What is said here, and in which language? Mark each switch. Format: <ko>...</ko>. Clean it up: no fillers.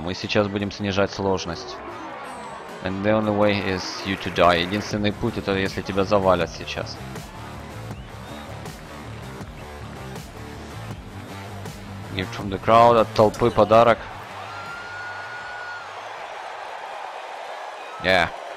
<ru>Мы сейчас будем снижать сложность.</ru> <en>And the only way is you to die.</en> <ru>Единственный путь, это если тебя завалят сейчас.</ru> <en>Gift from the crowd,</en> <ru>от толпы подарок. Yeah.</ru>